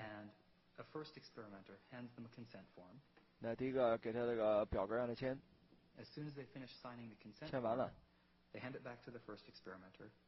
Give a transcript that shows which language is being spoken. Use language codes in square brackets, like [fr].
[en] and a first experimenter hands them a consent form. [zh] 那第一个给他这个表格让他签 [en] as soon as they finish signing the consent, [zh] 签完了 [en] they hand it back to the first experimenter.